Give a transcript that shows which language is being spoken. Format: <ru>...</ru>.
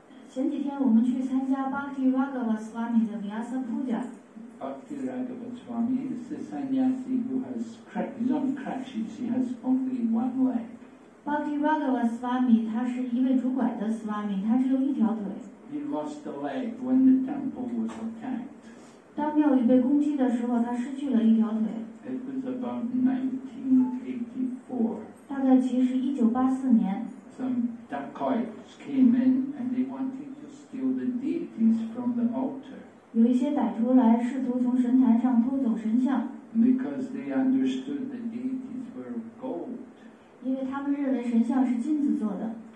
<zh>前几天我们去参加 Bhakti Raghava Swami 的 Vyasa Puja.</zh> <en>Bhakti Raghava Swami is a sannyasi who has crutches, on crutches. He has only one leg.</en> <zh>Bhakti Raghava Swami, 他是一位拄拐的 Swami, 他只有一条腿。</zh> <en>He lost a leg when the temple was attacked.</en> <zh>当庙宇被攻击的时候，他失去了一条腿。</zh> <en>It was about 1984.</en> <zh>大概其实1984年。</zh> <en>Some dacoits came in and they wanted to steal the deities from the altar.</en> <zh>有一些歹徒来试图从神坛上偷走神像。</zh> <en>Because they understood the deities were gold.</en> <zh>因为他们认为神像是金子做的。</zh>